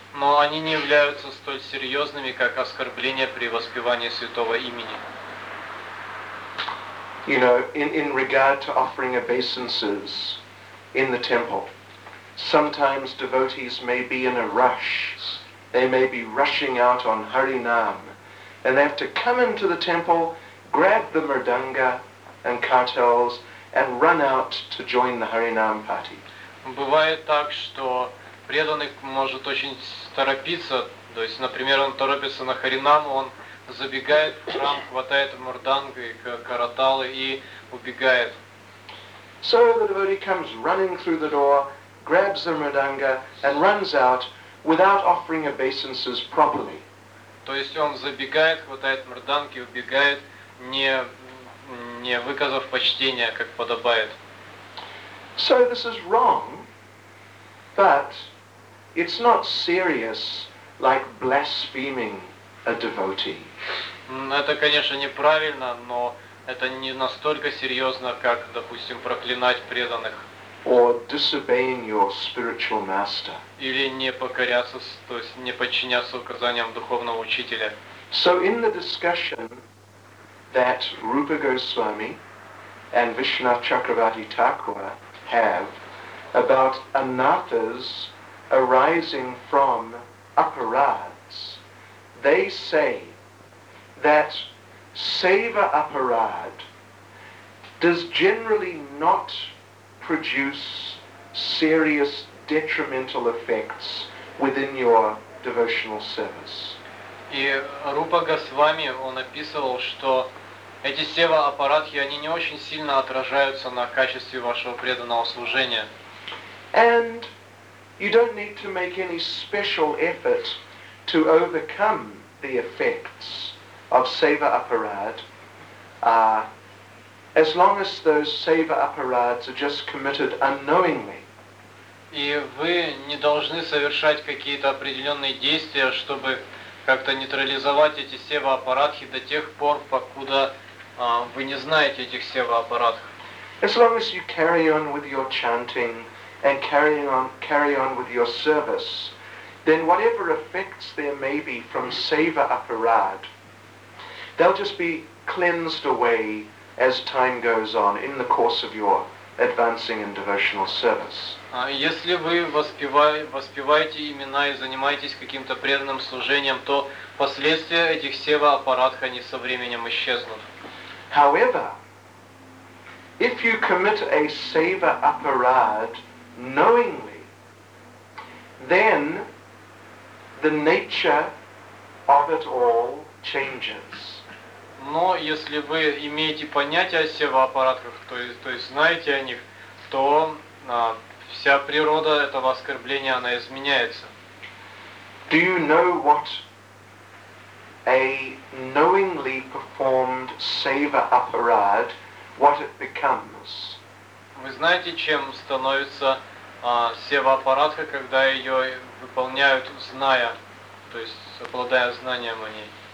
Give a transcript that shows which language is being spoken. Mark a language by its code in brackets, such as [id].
[ru] Но они не являются столь серьезными, как оскорбления при воспевании святого имени. [en] You know, in regard to offering obeisances in the temple, sometimes devotees may be in a rush. They may be rushing out on Harinam, and they have to come into the temple, grab the mridanga and cartels, and run out to join the Harinam party. [ru] Бывает так, что преданный может очень торопиться, то есть, например, он торопится на Харинам, он забегает в храм, хватает мурданга и караталы и убегает. [en] So the devotee comes running through the door, grabs the mridanga and runs out without offering obeisances properly. [ru] То есть он забегает, хватает мурданги и убегает, не выказав почтения, как подобает. [en] So this is wrong, but it's not serious like blaspheming a devotee. [ru] Это, конечно, неправильно, но это не настолько серьезно, как, допустим, проклинать преданных. [en] Or disobeying your spiritual master. [ru] Или не покоряться, то есть не подчиняться указаниям духовного учителя. [en] So in the discussion that Rupa Goswami and Vishwanath Chakravarti Thakur have about anathas arising from aparads, they say that seva aparad does generally not produce serious detrimental effects within your devotional service. [ru] И Рупа Госвами, он описывал, что эти сева аппаратхи, они не очень сильно отражаются на качестве вашего преданного служения. [en] And you don't need to make any special effort to overcome the effects of seva aparad, as long as those seva aparads are just committed unknowingly. [ru] И вы не должны совершать какие-то определенные действия, чтобы как-то нейтрализовать эти сева аппаратхи до тех пор, покуда вы не знаете этих сева аппаратхи. [en] As long as you carry on with your chanting and carry on with your service, then whatever effects there may be from seva aparad, they'll just be cleansed away as time goes on in the course of your advancing in devotional service. [ru] Если вы воспеваете имена и занимаетесь каким-то преданным служением, то последствия этих сева аппаратха они со временем исчезнут. [en] However, if you commit a seva aparad knowingly, then the nature of it all changes. [ru] Но если вы имеете понятие о сева аппаратах, то есть знаете о них, то вся природа этого оскорбления, она изменяется. [en] Do you know what a knowingly performed seva aparad, what it becomes? [ru] Вы знаете, чем становится сева аппаратка, когда ее выполняют, зная, то есть обладая знанием о ней?